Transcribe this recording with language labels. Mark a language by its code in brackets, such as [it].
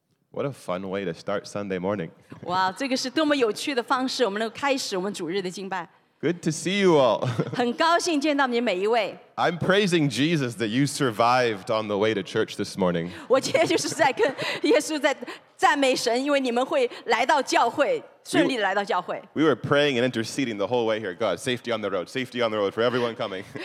[en] What a fun way to start Sunday morning. [zh] Wow, 这个是多么有趣的方式, 我们开始我们主日的敬拜。 [en] Good to see you all. [zh] 很高兴见到你每一位。 [en] I'm praising Jesus that you survived on the way to church this morning. [zh] 我今天就是在跟耶稣在赞美神, 因为你们会来到教会。 [en] We were praying and interceding the whole way here. God, safety on the road for everyone coming.